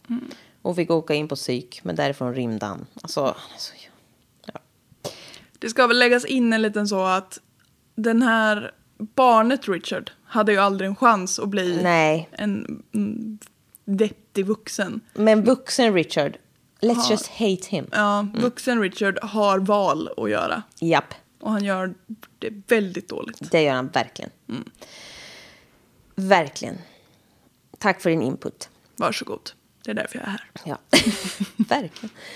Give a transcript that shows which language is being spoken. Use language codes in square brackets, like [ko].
[sv] Mm. Och fick åka in på psyk, men därifrån rymde han. Alltså, ja. Det ska väl läggas in en liten så att den här barnet Richard hade ju aldrig en chans att bli en deppig vuxen. Men vuxen Richard, [en] let's just hate him. [sv] Ja, vuxen Richard har val att göra. Japp. Och han gör det väldigt dåligt. Det gör han verkligen. Mm. Verkligen. Tack för din input. Varsågod. Det är därför jag är här. Ja, verkligen.